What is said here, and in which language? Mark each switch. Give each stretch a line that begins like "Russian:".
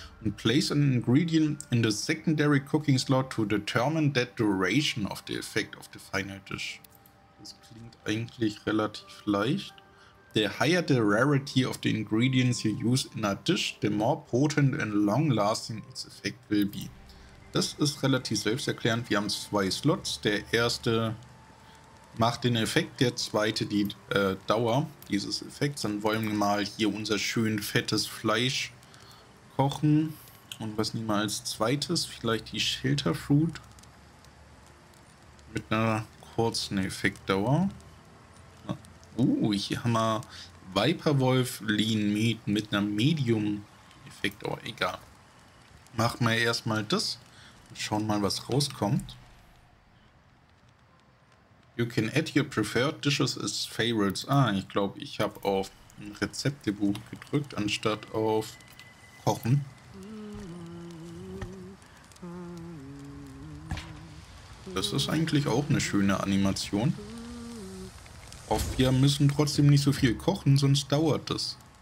English: And place an ingredient in the secondary cooking slot to determine the duration of the effect of the final dish.
German: Das klingt eigentlich relativ leicht.
English: The higher the rarity of the ingredients you use in a dish, the more potent and long-lasting its effect will be.
German: Das ist relativ selbsterklärend. Wir haben zwei Slots. Der erste macht den Effekt, der zweite die Dauer dieses Effekts. Dann wollen wir mal hier unser schön fettes Fleisch kochen. Und was nehmen wir als zweites? Vielleicht die Shelter Fruit mit einer kurzen Effektdauer. Hier haben wir Viper Wolf Lean Meat mit einer Medium-Effekt. Oh, egal. Machen wir erstmal das. Schauen mal, was rauskommt.
English: You can add your preferred dishes as favorites.
German: Ah, ich glaube, ich habe auf ein Rezeptebuch gedrückt, anstatt auf Kochen. Das ist eigentlich auch eine schöne Animation. Auf wir müssen trotzdem nicht so viel kochen, sonst dauert das.